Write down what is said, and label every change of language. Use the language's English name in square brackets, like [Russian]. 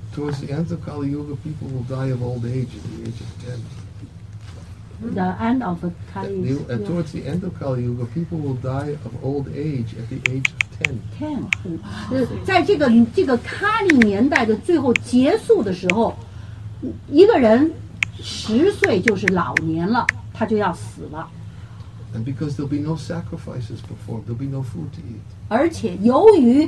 [English] Towards the end of Kali Yuga, people will die of old age at the age of 10. The end of Kali Yuga. Towards the end of Kali Yuga, people will die of old age at the age of 10. 10. [Chinese] 在这个 Kali 年代的最后结束的时候, 一个人10岁就是老年了, 他就要死了。 [English] And because there'll be no sacrifices performed, there'll be no food to eat.